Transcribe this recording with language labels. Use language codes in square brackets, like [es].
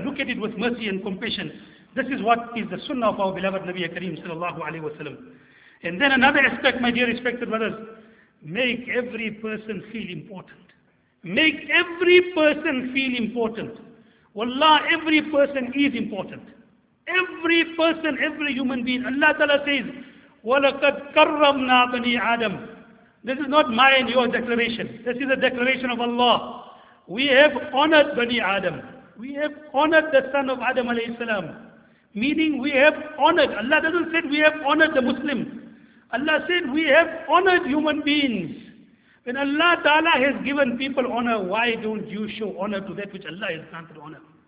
[en] Look at it with mercy and compassion. This is what is the sunnah of our beloved Nabi Kareem Sallallahu Alaihi Wasallam. And then another aspect, my dear respected brothers, make every person feel important. Make every person feel important. Wallah, every person is important. Every person, every human being. Allah Ta'ala says, [ar] وَلَقَدْ كَرَّمْنَا بَنِي آدَمْ. [en] This is not my and your declaration. This is a declaration of Allah. We have honored Bani Adam. We have honored the son of Adam alayhi salam. Meaning we have honored. Allah doesn't say we have honored the Muslim. Allah said, we have honored human beings. When Allah Ta'ala has given people honor, why don't you show honor to that which Allah has granted honor?